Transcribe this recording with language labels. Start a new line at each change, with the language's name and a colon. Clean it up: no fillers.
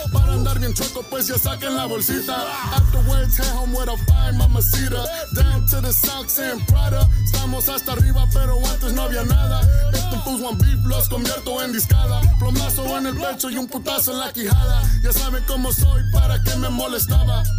Spanish: Para andar bien chueco, pues ya saquen la bolsita.
English: Afterwards, head home with a fine mamacita. Down to the socks and Prada.
Spanish: Estamos hasta arriba, pero antes no había nada. Estos fools want beef, los convierto en discada. Plomazo en el pecho y un putazo en la quijada. Ya saben cómo soy, para que me molestaba.